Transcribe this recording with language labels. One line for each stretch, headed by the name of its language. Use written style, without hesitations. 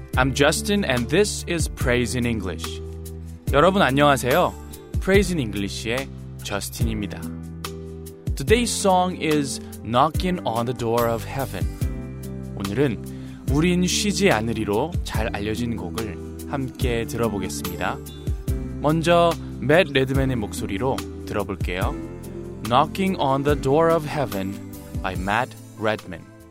English: I'm Justin, and this is Praise in English.
Korean: 여러분 안녕하세요. Praise in English의 Justin입니다.
English: Today's song is Knocking on the Door of Heaven.
Korean: 오늘은 우린 쉬지 않으리로 잘 알려진 곡을 함께 들어보겠습니다. 먼저 Matt Redman의 목소리로 들어볼게요.
English: Knocking on the Door of Heaven by Matt Redman.